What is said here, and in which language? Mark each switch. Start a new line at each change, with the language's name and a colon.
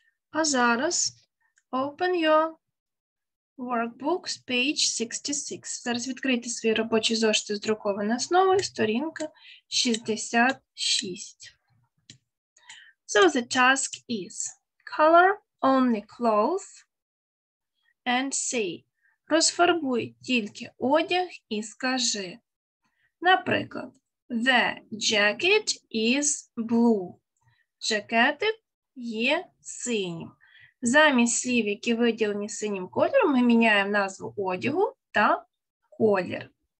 Ukrainian: А зараз
English: open your workbook, page 66.
Ukrainian: Зараз відкрийте свої робочі зошити з друкованої основи, сторінка 66.
English: So the task is color only clothes and say.
Ukrainian: Розфарбуй тільки одяг і скажи. Наприклад,
English: the jacket is blue.
Ukrainian: Жакетик є синім. Замість слів, які виділені синім кольором, ми міняємо назву одягу та колір.